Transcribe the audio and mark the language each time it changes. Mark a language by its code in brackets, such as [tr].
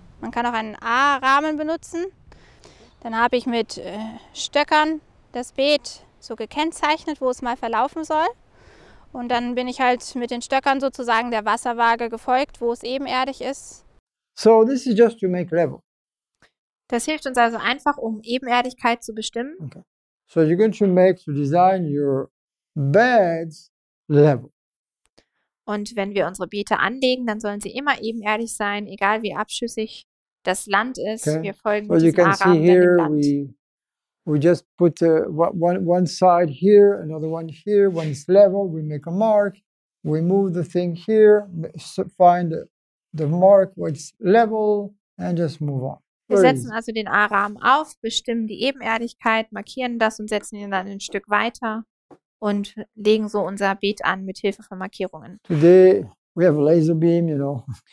[de] Man kann auch einen A-Rahmen benutzen. Dann habe ich mit Stöckern das Beet so gekennzeichnet, wo es mal verlaufen soll. Und dann bin ich halt mit den Stöckern sozusagen der Wasserwaage gefolgt, wo es ebenerdig ist. [en] So this is just to make level. [de] Das hilft uns also einfach, um Ebenerdigkeit zu bestimmen. [en] Okay. So you're going to make to design your beds level. [de] Und wenn wir unsere Beete anlegen, dann sollen sie immer ebenerdig sein, egal wie abschüssig das Land ist. [en] Okay. [de] Wir folgen so diesem A-Rahmen dann im Land. [en] We just put one side here, another one here. When it's level, we make a mark. We move the thing here, find the mark, which level, and just move on. [de] Wir setzen also den A-Rahmen auf, bestimmen die Ebenerdigkeit, markieren das und setzen ihn dann ein Stück weiter und legen so unser Beet an mit Hilfe von Markierungen. [en] Today we have a laser beam, you know.